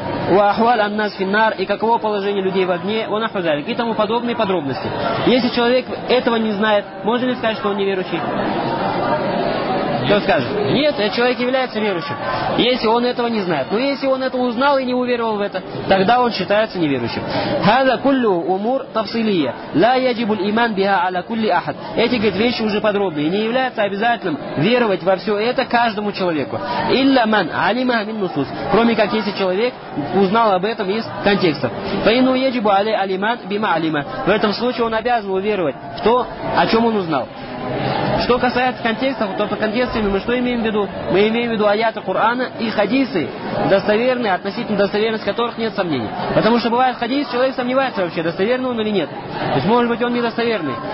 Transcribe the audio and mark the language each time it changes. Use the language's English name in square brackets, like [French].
[Arabic] وأحوال الناس في النار, [Russian] и каково положение людей в огне, он охватывает, и тому подобные подробности. Если человек этого не знает, можно ли сказать, что он неверующий? Кто скажет? Нет, этот человек является верующим, если он этого не знает. Но если он это узнал и не уверовал в это, тогда он считается неверующим. [Arabic] هذا كله أمور تفصيلية لا يجب الإيمان بها على كل أحد. [Russian] Эти, говорит, вещи уже подробные, не является обязательным веровать во все это каждому человеку. [Arabic] إلا من علمها من نصوص. [Russian] Кроме как если человек узнал об этом из контекста. [Arabic] فإنه يجب عليه الإيمان بما علمه. [Russian] В этом случае он обязан уверовать в то, о чем он узнал. Что касается контекстов, то по контекстам мы что имеем в виду? Мы имеем в виду аяты Корана и хадисы, достоверные, относительно достоверности которых нет сомнений. Потому что бывает хадис, человек сомневается вообще, достоверный он или нет. То есть может быть он недостоверный.